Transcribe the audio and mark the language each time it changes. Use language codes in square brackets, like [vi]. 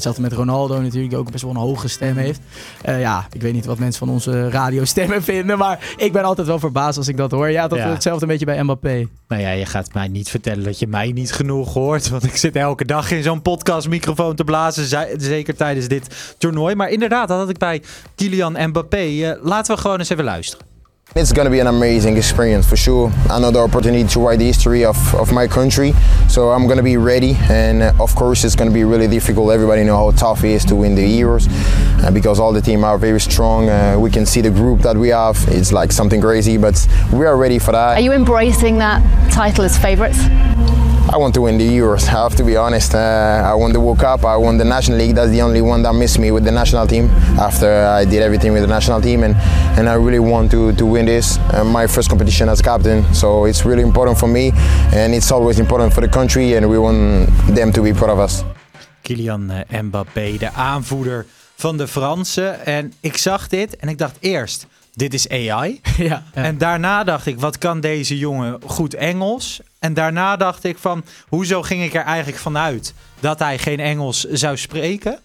[nl] Zelfs met Ronaldo natuurlijk, die ook best wel een hoge stem heeft. Ik weet niet wat mensen van onze radiostemmen vinden, maar ik ben altijd wel verbaasd als ik dat hoor. Ja, dat voelt hetzelfde een beetje bij Mbappé. Nou ja, je gaat mij niet vertellen dat je mij niet genoeg hoort, want ik zit elke dag in zo'n podcast microfoon te blazen, zeker tijdens dit toernooi. Maar inderdaad, dat had ik bij Kylian Mbappé. Laten we gewoon eens even luisteren. [en] It's gonna be an amazing experience for sure. Another opportunity to write the history of my country. So I'm gonna be ready. And of course, it's gonna be really difficult. Everybody know how tough it is to win the Euros, because all the team are very strong. We can see the group that we have. It's like something crazy, but we are ready for that. Are you embracing that title as favorites? I want to win the Euros. I have to be honest. I won the World Cup. I won the National League. That's the only one that missed me with the national team. After I did everything with the national team, and I really want to win this. My first competition as captain. So it's really important for me, and it's always important for the country. And we want them to be proud of us. [nl] Kylian Mbappé, de aanvoerder van de Fransen. En ik zag dit en ik dacht eerst, dit is AI. Ja, ja. En daarna dacht ik, wat kan deze jongen goed Engels? En daarna dacht ik van, hoezo ging ik er eigenlijk vanuit dat hij geen Engels zou spreken?